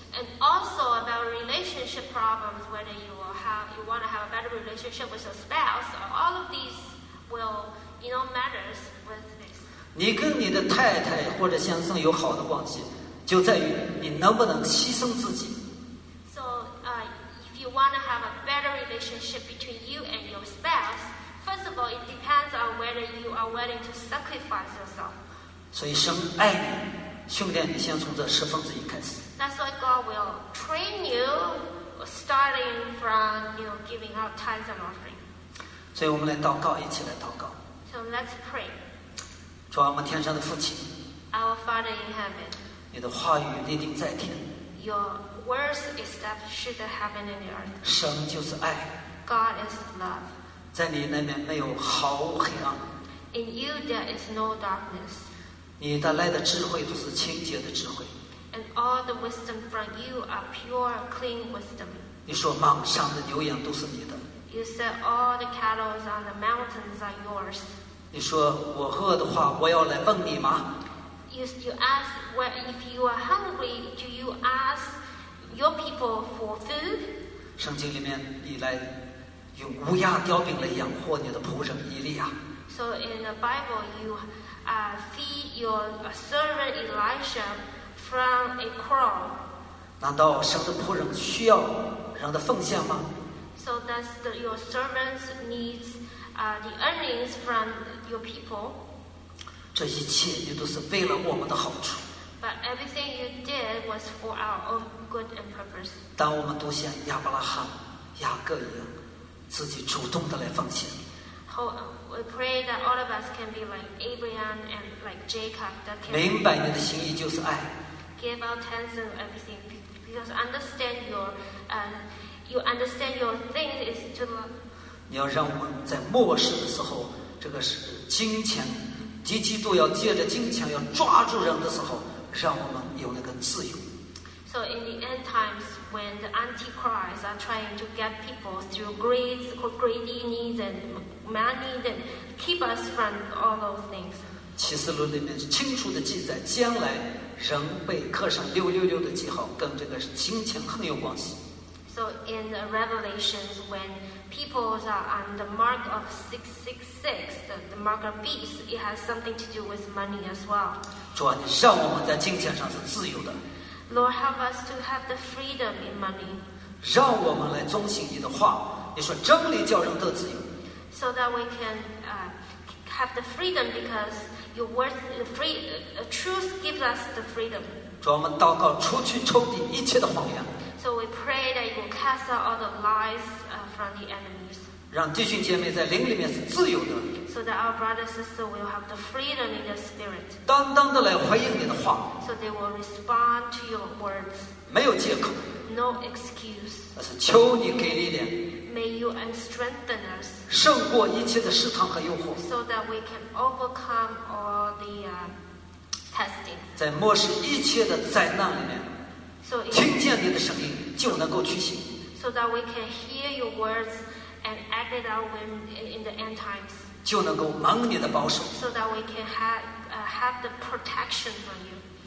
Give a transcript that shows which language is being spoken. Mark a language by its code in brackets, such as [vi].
[en] And also about relationship problems, whether you want to have a better relationship with your spouse, all of these will. You know, matters with this. [zh] 你跟你的太太或者先生有好的关系，就在于你能不能牺牲自己。 [en] So, if you want to have a better relationship between you and your spouse, first of all, it depends on whether you are willing to sacrifice yourself. [zh] 所以神爱你，训练你先从这十分之一开始。 [en] That's why God will train you, starting from you know, giving out tithes and offering. [zh] 所以我们来祷告，一起来祷告。 [en] So let's pray. [zh] 主啊，我们天上的父亲。 [en] Our Father in heaven. [zh] 你的话语立定在天。 [en] Your words establish the heaven and the earth. [zh] 神就是爱。 [en] God is love. [zh] 在你那边没有毫无黑暗。 [en] In you there is no darkness. [zh] 你带来的智慧都是清洁的智慧。 [en] And all the wisdom from you are pure, clean wisdom. [zh] 你说满山的牛羊都是你的。 [en] You said all the cattle on the mountains are yours. [zh] 你说我饿的话，我要来问你吗 [en] ？You ask well, if you are hungry, do you ask your people for food? [zh] 圣经里面，你来用乌鸦叼饼来养活你的仆人以利亚。 [en] So in the Bible, you feed your servant Elisha from a crow. [zh] 难道神的仆人需要人的奉献吗？ [en] So does your servants need the earnings from your people? [zh] 这一切也都是为了我们的好处。 [en] But everything you did was for our own good and purpose. [zh] 当我们都像亚伯拉罕、雅各一样，自己主动的来奉献。 [en] We pray that all of us can be like Abraham and like Jacob. That can [zh] 明白你的心意就是爱。 [en] Give out tens of everything because understand your You understand your thing is to love. [zh] 你要让我们在末世的时候，这个是金钱，敌基督要借着金钱要抓住人的时候，让我们有那个自由。 [en] So in the end times, when the Antichrist are trying to get people through greed, greedy needs and money, then keep us from all those things. [zh] 启示录里面清楚地记载，将来神被刻上六六六的记号，跟这个金钱很有关系。 [en] So in the Revelations, when people are on the mark of 666, the mark of beast, it has something to do with money as well. [zh] 主啊，你让我们在金钱上是自由的。 [en] Lord, help us to have the freedom in money. [zh] 让我们来遵行你的话，你说真理叫人得自由。 [en] So that we can have the freedom because your word, truth gives us the freedom. [zh] 主啊，我们祷告除去仇敌一切的谎言。 [en] So we pray that you will cast out all the lies from the enemies. [zh] 让弟兄姐妹在灵里面是自由的。 [en] So that our brothers and sisters will have the freedom in the spirit. [zh] 当当的来回应你的话。 [en] So they will respond to your words. [zh] 没有借口。 [en] No excuse. [zh] 而是求你给力量。 [en] May you strengthen us. [zh] 胜过一切的试探和诱惑。 [en] So that we can overcome all the testing. [zh] 在末世一切的灾难里面。听见你的声音就能够取信。 [en] So that we can hear your words and act it out when in the end times. [zh] 就能够蒙你的保守。 [en] So that we can have the protection from you.